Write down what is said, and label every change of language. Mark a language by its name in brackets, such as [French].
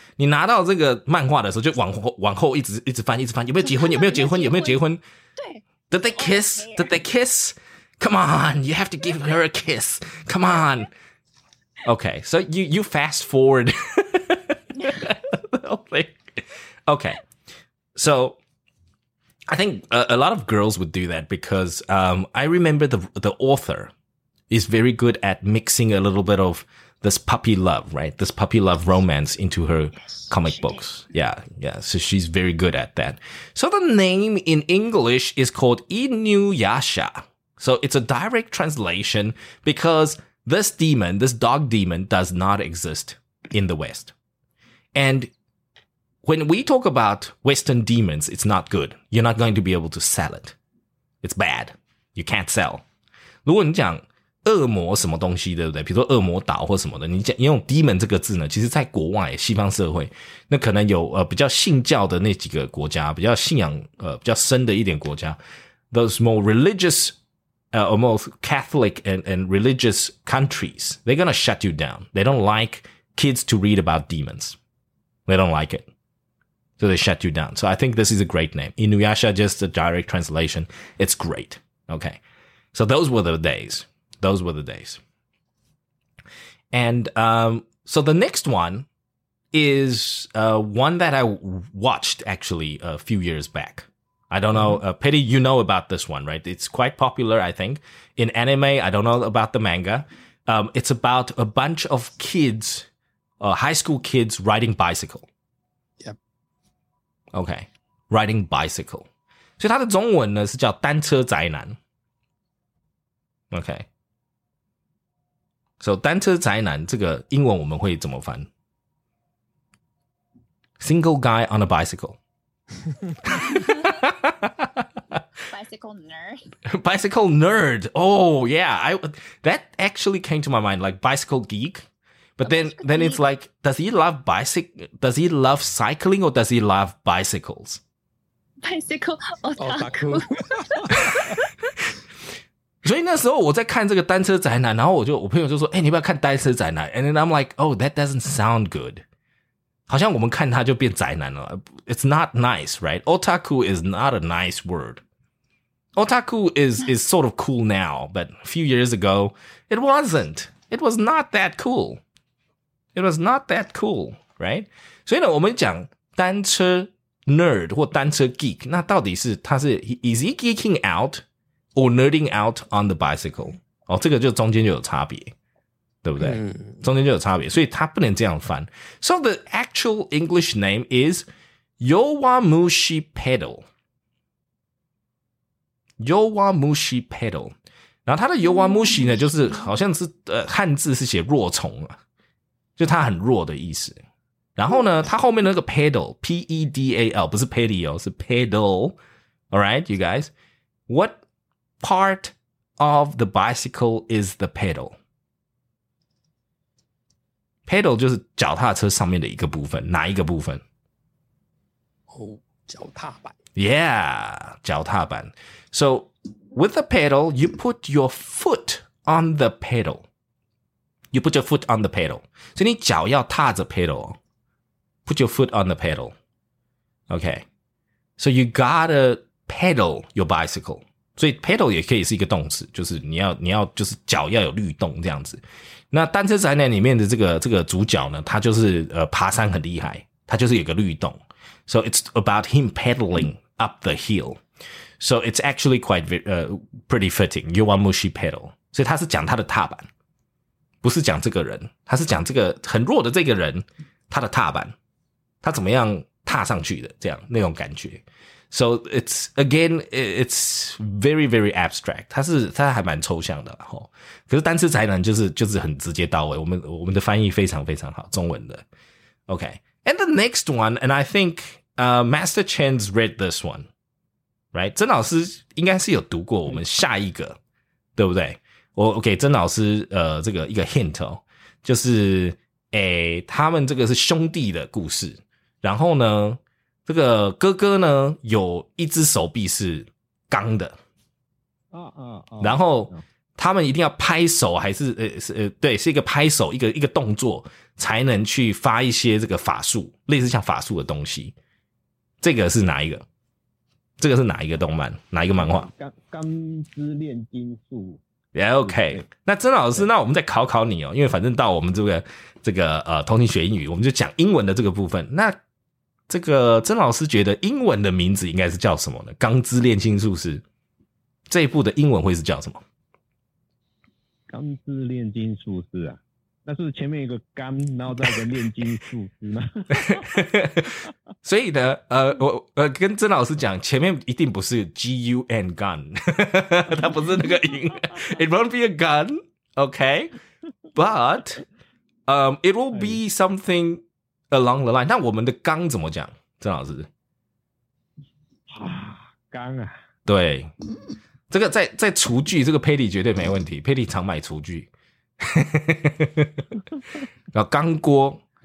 [Chinese] 你拿到这个漫画的时候就往后一直翻一直翻有没有结婚有没有结婚有没有结婚对。 [English] Did they kiss? Did they kiss? Come on. You have to give her a kiss. Come on. Okay, so you fast forward the whole thing. Okay, so I think a lot of girls would do that because I remember the author is very good at mixing a little bit of this puppy love, right? This puppy love romance into her comic books. Did. Yeah, yeah, so she's very good at that. So the name in English is called Inuyasha. So it's a direct translation because... This demon, this dog demon, does not exist in the West. And when we talk about Western demons, it's not good. You're not going to be able to sell it. It's bad. You can't sell. [Chinese] 如果你讲恶魔什么东西，对不对？比如说恶魔岛或什么的，你讲用 demon 这个字呢，其实在国外西方社会，那可能有比较信教的那几个国家，比较信仰比较深的一点国家 ， [English] those more religious. Almost Catholic and religious countries, they're going to shut you down. They don't like kids to read about demons. They don't like it. So they shut you down. So I think this is a great name. Inuyasha, just a direct translation. It's great. Okay. So those were the days. Those were the days. And so the next one is one that I watched actually a few years back. I don't know. Petty, you know about this one, right? It's quite popular, I think. In anime, I don't know about the manga. It's about a bunch of kids, high school kids riding bicycle. Yep. Okay. Riding bicycle. [Chinese] 所以它的中文呢是叫单车宅男。 [English] Okay. [Chinese] So 单车宅男这个英文我们会怎么翻? [English] Single guy on a bicycle. Bicycle nerd. Bicycle nerd. Oh, yeah. That actually came to my mind, like bicycle geek. But then it's like, does he love cycling or does he love bicycles? Bicycle [Chinese] otaku. 所以那时候我在看这个单车宅男，然后我朋友就说，欸，你不要看单车宅男。 [English] And then I'm like, oh, that doesn't sound good. [Chinese] 好像我们看他就变宅男了。 [English] It's not nice, right? Otaku is not a nice word. Otaku is sort of cool now, but a few years ago, it wasn't. It was not that cool. It was not that cool, right? [Chinese] 所以呢，我们讲单车 nerd 或单车 geek， 那到底是他是 [English] is he geeking out or nerding out on the bicycle？ [Chinese] 哦，这个就中间就有差别，对不对？中间就有差别，所以他不能这样翻。 [English] So the actual English name is Yowamushi Pedal. [Chinese] Yowamushi Pedal， 然后他的 Yowamushi 呢，就是好像是汉字是写弱虫啊，就他很弱的意思。然后呢，他后面的那个 pedal，P-E-D-A-L， 不是 pedal， 是 pedal。 [English] All right, you guys, what part of the bicycle is the pedal？ [Chinese] pedal 就是脚踏车上面的一个部分，哪一个部分？哦，脚踏板。 Yeah, 脚踏板。 [English] So, with the pedal, you put your foot on the pedal. You put your foot on the pedal. [Chinese] 所以你脚要踏着 pedal. [English] Put your foot on the pedal. Okay. So, you gotta pedal your bicycle. [Chinese] 所以 pedal 也可以是一个动词，就是你要就是脚要有律动这样子。那单车宅男里面的这个主角呢，他就是爬山很厉害，他就是有个律动。 [English] So it's about him pedaling up the hill. So it's actually quite pretty fitting. You want mushy pedal. [Chinese] 所以他是讲他的踏板，不是讲这个人，他是讲这个很弱的这个人他的踏板，他怎么样踏上去的这样那种感觉。 So it's again, it's very, very abstract. 它还蛮抽象的齁。可是单词宅男就是很直接到位。我们的翻译非常非常好，中文的。 [English] Okay. And the next one, and I think, Master Chen's read this one. [Chinese] Right? 曾老师应该是有读过我们下一个。对不对？ Okay, 曾老师这个一个 hint 哦。就是他们这个是兄弟的故事。然后呢这个哥哥呢有一只手臂是钢的。然后他们一定要拍手还是对是一个拍手一个动作才能去发一些这个法术类似像法术的东西。这个是哪一个这个是哪一个动漫哪一个漫画钢之炼金术。 Yeah, OK, 那曾老师那我们再考考你哦因为反正到我们这个通勤学英语我们就讲英文的这个部分。那这个曾老师觉得英文的名字应该是叫什么呢？《钢之炼金术士》这一部的英文会是叫什么？《 钢之炼金术士》啊，那是前面一个钢，然后再一个炼金术士吗？所以呢，我跟曾老师讲，前面一定不是 G U N gun， 它不是那个音， [English] It won't be a gun， OK， but it will be something。 Along the line， [Chinese] 那我们的钢怎么讲，曾老师？啊，钢啊！对，这个在厨具，这个 Patty 绝对没问题。 Patty 常买厨具，然后钢锅，